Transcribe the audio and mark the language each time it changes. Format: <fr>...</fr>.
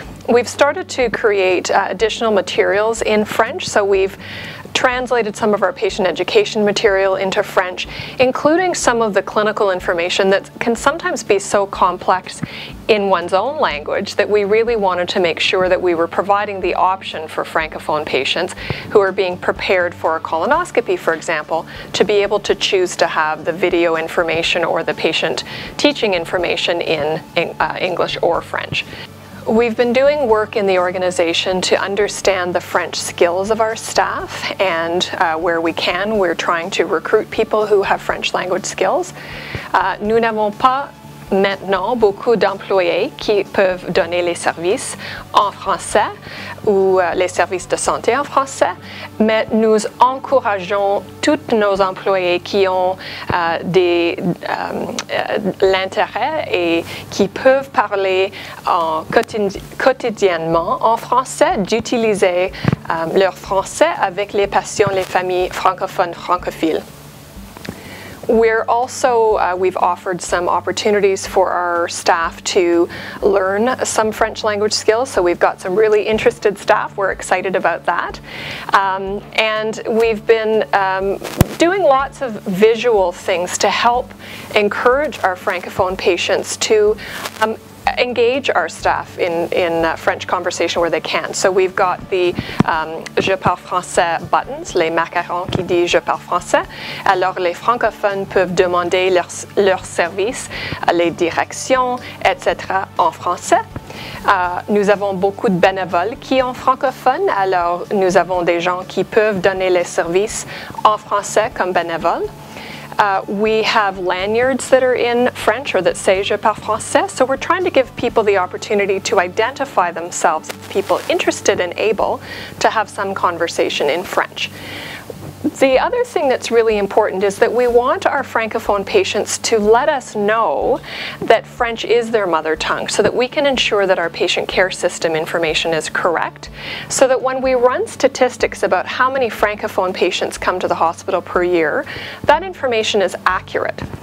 <en>We've started to create additional materials in French, so we've translated some of our patient education material into French, including some of the clinical information that can sometimes be so complex in one's own language that we really wanted to make sure that we were providing the option for francophone patients who are being prepared for a colonoscopy, for example, to be able to choose to have the video information or the patient teaching information in English or French. We've been doing work in the organization to understand the French skills of our staff, and where we can, we're trying to recruit people who have French language skills.</en> <fr>Nous n'avons pas maintenant beaucoup d'employés qui peuvent donner les services en français ou les services de santé en français, mais nous encourageons tous nos employés qui ont l'intérêt et qui peuvent parler quotidiennement en français d'utiliser leur français avec les patients, les familles francophones, francophiles.</fr> <en>We're also, we've offered some opportunities for our staff to learn some French language skills, so we've got some really interested staff. We're excited about that. And we've been doing lots of visual things to help encourage our francophone patients to engage our staff in French conversation where they can. So we've got the Je parle français buttons,</en> <fr>les macarons qui disent Je parle français. Alors les francophones peuvent demander leur service, les directions, etc. en français. Nous avons beaucoup de bénévoles qui sont francophones, alors nous avons des gens qui peuvent donner les services en français comme bénévoles.</fr> <en>We have lanyards that are in French or that say</en> <fr>Je parle français,</fr> <en>so we're trying to give people the opportunity to identify themselves as people interested and able to have some conversation in French. The other thing that's really important is that we want our francophone patients to let us know that French is their mother tongue so that we can ensure that our patient care system information is correct, so that when we run statistics about how many francophone patients come to the hospital per year, that information is accurate.</en>